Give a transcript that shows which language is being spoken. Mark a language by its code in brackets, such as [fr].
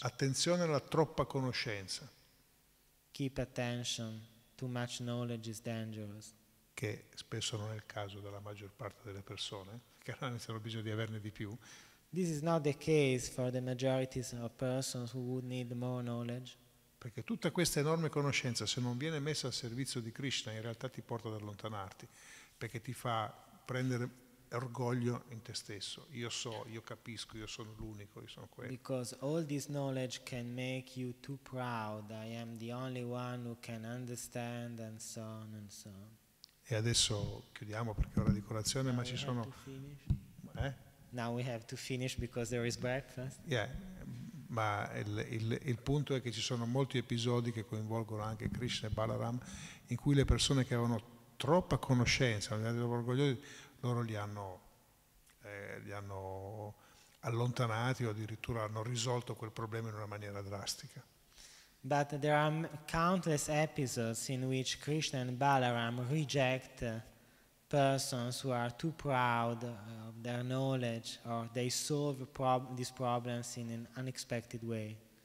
[it] Attenzione alla troppa conoscenza. [en] Keep attention, too much knowledge is dangerous. [it] Che spesso non è il caso della maggior parte delle persone, che non hanno bisogno di averne di più. [en] This is not the case for the majority of persons who would need more knowledge. [it] Perché tutta questa enorme conoscenza, se non viene messa al servizio di Krishna, in realtà ti porta ad allontanarti, perché ti fa prendere orgoglio in te stesso. Io so, io capisco, io sono l'unico, io sono quello. [en] Because all this knowledge can make you too proud. I am the only one who can understand, and so on and so on. [it] E adesso chiudiamo perché è ora di colazione, [en] now [it] ma ci sono. [en] Now we have to finish because there is breakfast. Yeah. [it] Ma il punto è che ci sono molti episodi che coinvolgono anche Krishna e Balaram, in cui le persone che avevano troppa conoscenza, loro li hanno allontanati, o addirittura hanno risolto quel problema in una maniera drastica. [en] But there are countless episodes in which Krishna and Balaram reject persons who are too proud of their knowledge, or they solve these problems in an unexpected way.